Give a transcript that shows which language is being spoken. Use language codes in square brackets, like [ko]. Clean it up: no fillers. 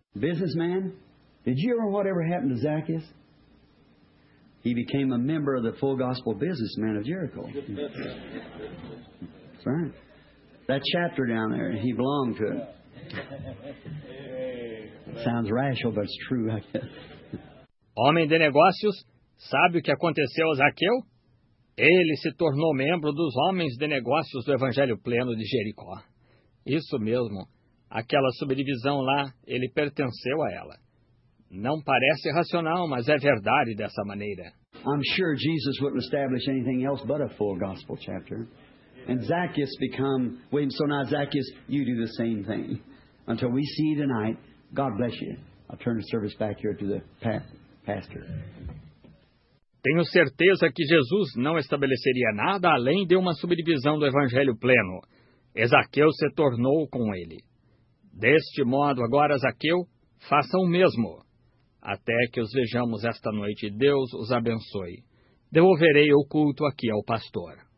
[en] Businessman, did you ever whatever happened to Zacchaeus? He became a member of the full gospel businessman of Jericho. That's right. That chapter down there, he belonged to it. Sounds rational, but it's true, I guess. [pt] Homem de negócios, sabe o que aconteceu a Zaqueu? Ele se tornou membro dos homens de negócios do Evangelho Pleno de Jericó. Isso mesmo. Aquela subdivisão lá, ele pertenceu a ela. Não parece racional, mas é verdade dessa maneira. [en] I'm sure Jesus wouldn't establish anything else but a full gospel chapter. And Zacchaeus become, wait, so now Zacchaeus, you do the same thing. Until we see you tonight. God bless you. I'll turn the service back here to the pastor. [pt] Tenho certeza que Jesus não estabeleceria nada além de uma subdivisão do Evangelho Pleno. Zaqueu se tornou com ele. Deste modo, agora, Zaqueu, faça o mesmo. Até que os vejamos esta noite, Deus os abençoe. Devolverei o culto aqui ao pastor.